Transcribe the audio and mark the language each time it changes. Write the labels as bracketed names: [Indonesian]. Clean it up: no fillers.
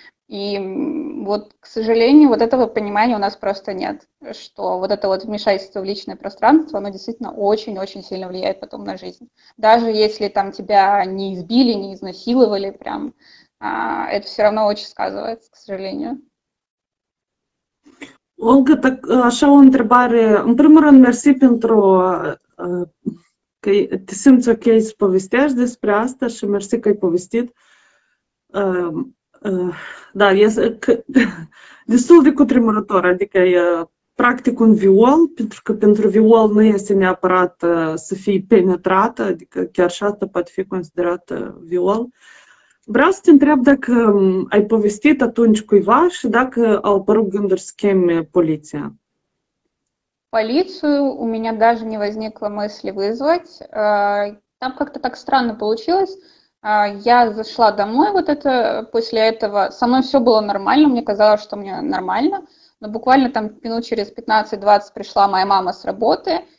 [Russian] И вот, к сожалению, вот этого понимания у нас просто нет, что вот это вот вмешательство в личное пространство, оно действительно очень-очень сильно влияет потом на жизнь. Даже если там тебя не избили, не изнасиловали, прям, это все равно очень сказывается, к сожалению. [Romanian] Olga, так așa o întrebare. În primul rând, mersi că te simți ok să povestești despre asta și mersi că ai povestit. Da, este destul de cutremurător, adică e practic un viol, pentru că pentru viol nu este neapărat să fii penetrată, adică chiar și asta poate fi considerată viol. Vreau să te întreb dacă ai povestit atunci cuiva și dacă au apărut gânduri să cheme poliția. [Russian] Полицию у меня даже не возникло мысли вызвать. Там как-то так странно получилось. Я зашла домой вот это после этого. Со мной все было нормально, мне казалось, что мне нормально. Но буквально там минут через 15-20 пришла моя мама с работы.